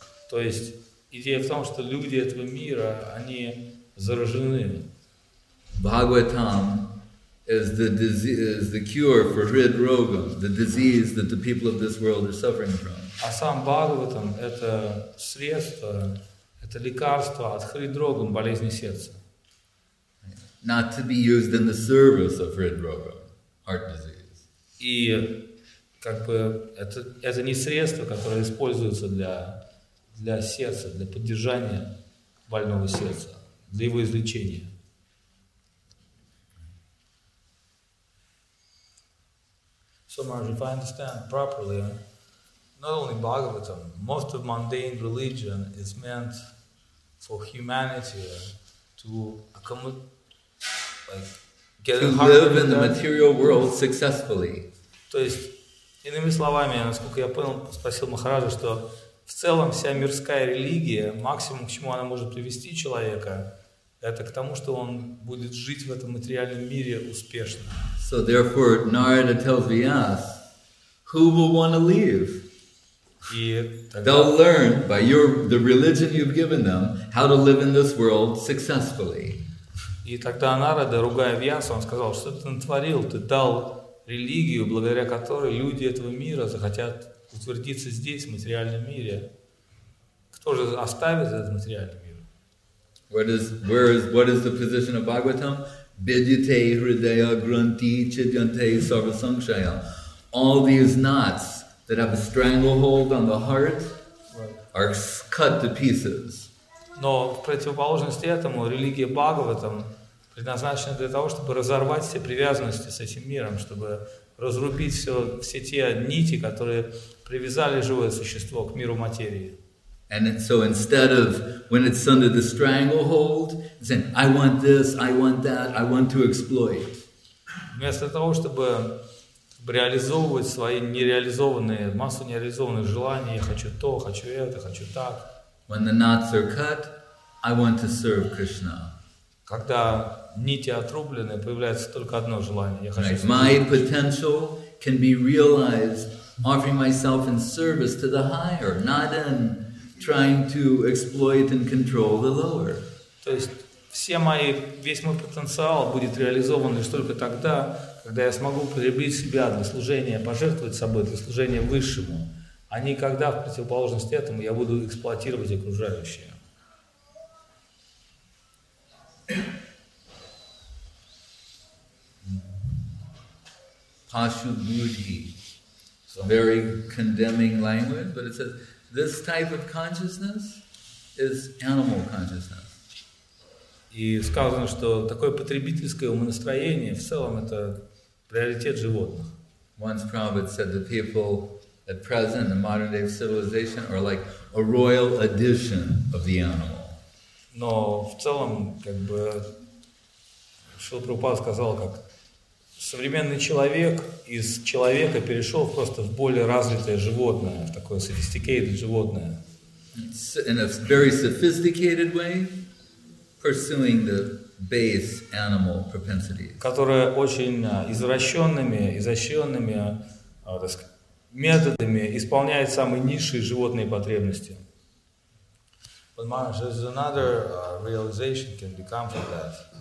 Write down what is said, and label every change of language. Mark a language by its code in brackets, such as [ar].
[ru] То есть идея в том, что люди этого мира, они заражены. [en] Bhagavatam is the disease, is the cure for rid roga, the disease that the people of this world are suffering from. [ru] А сам Бхагаватам — это средство, это лекарство от хридрогам, болезни сердца. [en] Not to be used in the service of Hridroga, heart disease. [ru] И как бы это не средство, которое используется для сердца, для поддержания больного сердца, для его излечения. [en] So, Marj, if I understand properly, not only Bhagavatam, most of mundane religion is meant for humanity to accommodate. Like to live in the material world successfully. [ru] То есть, иными словами, насколько я понял, спросил Махараджа, что в целом вся мирская религия, максимум, к чему она может привести человека, это к тому, что он будет жить в этом материальном мире успешно. [en] So therefore, Narada tells Vyas, who will want to leave? They'll learn by the religion you've given them how to live in this world successfully. [ru] И тогда Нарада, ругая Вьяса, он сказал, что ты натворил, ты дал религию, благодаря которой люди этого мира захотят утвердиться здесь, в материальном мире. Кто же оставит этот материальный мир? [en] What is the position of Bhagavatam? [sa] Bidyate hridaya granti chidyante sarva sankshaya. [en] All these knots that have a stranglehold on the heart are cut to pieces. [ru] Но в противоположность этому религия Бхагаватам предназначена для того, чтобы разорвать все привязанности с этим миром, чтобы разрубить все те нити, которые привязали живое существо к миру материи. [en] And so instead of when it's under the stranglehold, saying I want this, I want that, I want to exploit. [ru] Вместо того, чтобы реализовывать свои нереализованные, массу нереализованных желаний, я хочу то, хочу это, хочу так. [en] When the knots are cut, I want to serve Krishna. [ru] Когда нити отрублены, появляется только одно желание. Я хочу служить. [en] My potential can be realized offering myself in service to the higher, not in trying to exploit and control the lower. [ru] То есть все мои, весь мой потенциал будет реализован лишь только тогда, когда я смогу употребить себя для служения, пожертвовать собой для служения высшему. А не когда в противоположность этому я буду эксплуатировать окружающее. [sa] Pashubuddhi. [en] It's a very condemning language, but it says this type of consciousness is animal consciousness. [ru] И сказано, что такое потребительское умонастроение в целом это приоритет животных. [en] Once Prabhupada said the people at present in modern day civilization are like a royal edition of the animal. [ru] Но в целом, как бы, Шрила Прабхупада сказал, как современный человек из человека перешел просто в более развитое животное, в такое sophisticated животное. [en] In a very sophisticated way, pursuing the base animal propensities. [ru] Которое очень извращенными, изощренными методами исполняет самые низшие животные потребности. [en] But Maharaj, there's another realization can become from that.